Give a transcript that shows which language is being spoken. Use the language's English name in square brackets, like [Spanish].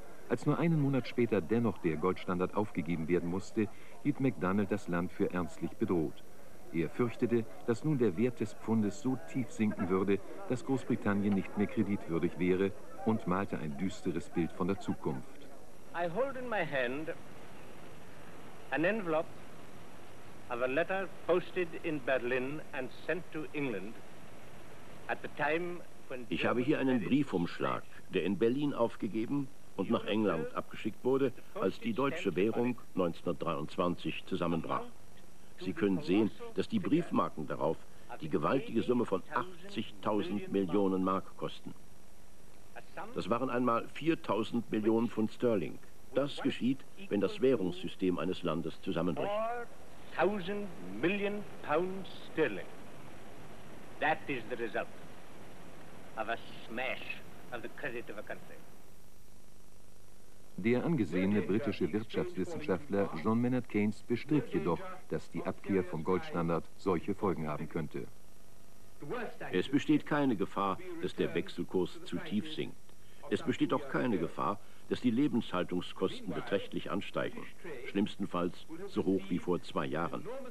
[German] Als nur einen Monat später dennoch der Goldstandard aufgegeben werden musste, hielt MacDonald das Land für ernstlich bedroht. Er fürchtete, dass nun der Wert des Pfundes so tief sinken würde, dass Großbritannien nicht mehr kreditwürdig wäre, und malte ein düsteres Bild von der Zukunft. [English] I hold in my hand an envelope of a letter posted in Berlin and sent to England at the time when... [German] Ich habe hier einen Briefumschlag, der in Berlin aufgegeben und nach England abgeschickt wurde, als die deutsche Währung 1923 zusammenbrach. Sie können sehen, dass die Briefmarken darauf die gewaltige Summe von 80.000 Millionen Mark kosten. Das waren einmal 4.000 Millionen Pfund Sterling. Das geschieht, wenn das Währungssystem eines Landes zusammenbricht. 1.000 Millionen Pfund Sterling. [English] That is the result of a smash of the credit of a country. [German] Der angesehene britische Wirtschaftswissenschaftler John Maynard Keynes bestritt jedoch, dass die Abkehr vom Goldstandard solche Folgen haben könnte. Es besteht keine Gefahr, dass der Wechselkurs zu tief sinkt. Es besteht auch keine Gefahr, dass die Lebenshaltungskosten beträchtlich ansteigen, schlimmstenfalls so hoch wie vor 2 Jahren.